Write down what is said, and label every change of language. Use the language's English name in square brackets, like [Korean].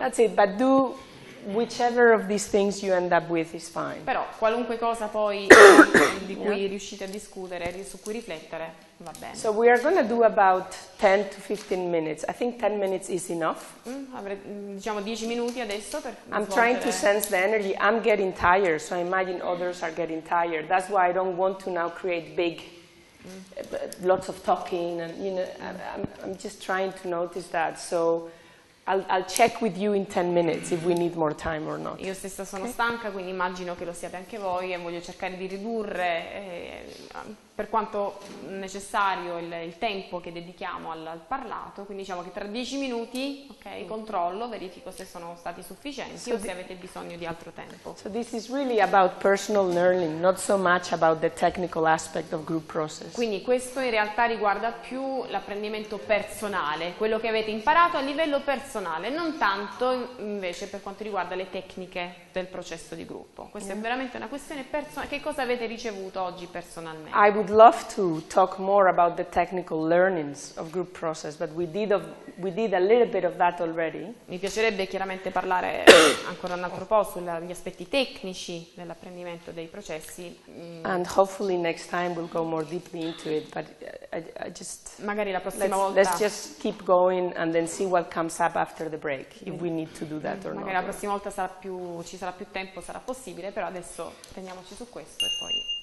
[English] That's it, but do whichever of these things you end up with is fine. [Italian] Però qualunque cosa poi di cui riuscite a discutere, su cui riflettere, va bene. [English] So we are going to do about 10 to 15 minutes. I think 10 minutes is enough. [Italian] Diciamo 10 minuti adesso per [English] I'm [Italian] svolgere. [English] Trying to sense the energy. I'm getting tired, so I imagine others are getting tired. That's why I don't want to now create big lots of talking and you know I'm just trying to notice that. So I'll check with you in 10 minutes if we need more time or not. [Italian] Io stessa sono stanca, quindi immagino che lo siate anche voi e voglio cercare di ridurre per quanto necessario il tempo che dedichiamo al parlato, quindi diciamo che tra 10 minuti, ok, controllo, verifico se sono stati sufficienti o se avete bisogno di altro tempo. [English] So this is really about personal learning, not so much about the technical aspect of group process. [Italian] Quindi questo in realtà riguarda più l'apprendimento personale, quello che avete imparato a livello personale, non tanto invece per quanto riguarda le tecniche del processo di gruppo. Questa è veramente una questione personale. Che cosa avete ricevuto oggi personalmente? [English] I would love to talk more about the technical learnings of group process, but we did a little bit of that already. [Italian] Mi piacerebbe chiaramente parlare ancora un altro po' sugli aspetti tecnici dell'apprendimento dei processi. [English] And hopefully next time we'll go more deeply into it, but I just [Italian] magari la prossima volta. [English] Let's just keep going and then see what comes up after the break if we need to do that or not. [Italian] Magari la prossima volta ci sarà più tempo, sarà possibile, però adesso teniamoci su questo e poi